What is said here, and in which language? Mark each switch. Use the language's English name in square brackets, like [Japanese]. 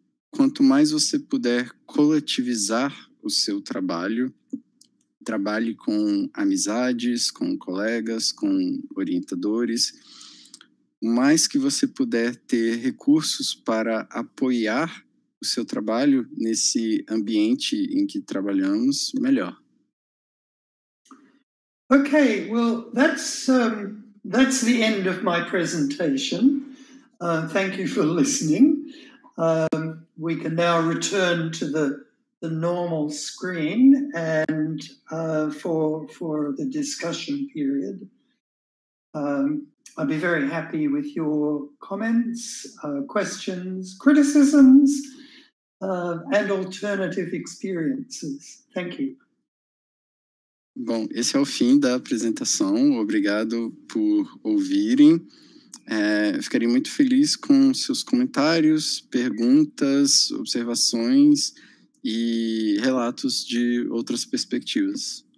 [Portuguese] Quanto mais você puder coletivizar o seu trabalho, trabalhe com amizades, com colegas, com orientadores, mais que você puder ter recursos para apoiar o seu trabalho nesse ambiente em que trabalhamos, melhor. [English] Ok, well, that's the end of my presentation. Thank you for listening. We can now return to the normal screen and for the discussion period. I'd be very happy with your comments, questions, criticisms, and alternative experiences. Thank you. [Portuguese] Bom, esse é o fim da apresentação. Obrigado por ouvirem. Ficaria muito feliz com seus comentários, perguntas, observações e relatos de outras perspectivas.